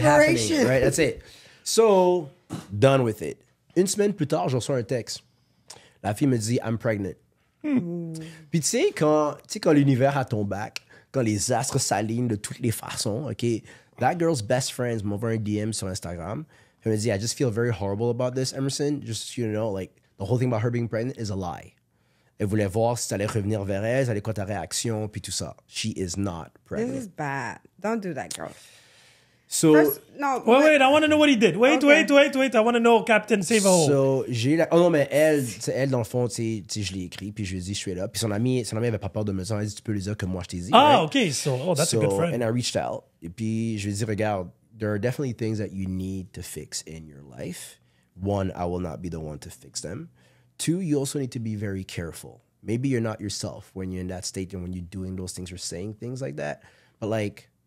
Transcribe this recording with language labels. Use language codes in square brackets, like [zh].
[en] happen. Right? That's it. So, done with it. [fr] Une semaine plus tard, je reçois un texte. La fille me dit, [en] I'm pregnant. [fr] Mm. Puis tu sais, quand l'univers a ton back, quand les astres s'alignent de toutes les façons, OK? [en] That girl's best friend [fr] m'envoie un DM sur Instagram. Elle me dit, [en] I just feel very horrible about this, Emerson. Just, you know, like, the whole thing about her being pregnant is a lie. [fr] Elle voulait voir si ça allait revenir vers elle, elle allait quoi ta réaction, puis tout ça. [en] She is not pregnant. This is bad. Don't do that, girl. So, first, no, wait, I want to know what he did. Wait, okay. wait. I want to know, Captain Save a Hole. [fr] So, j'ai la... Oh non, mais elle, dans le fond, tu sais, je l'ai écrit, puis je lui ai dit, je suis là. Puis son ami avait pas peur de me dire, elle dit, tu peux lui dire que moi, je t'ai dit. [en] Ah, right? OK. So, oh, that's so, a good friend. And I reached out. [fr] Et puis, je lui ai dit, regarde, [en] there are definitely things that you need to fix in your life. One, I will not be the one to fix them. Two, you also need to be very careful. Maybe you're not yourself when you're in that state and when you're doing those things or saying things like that. But like...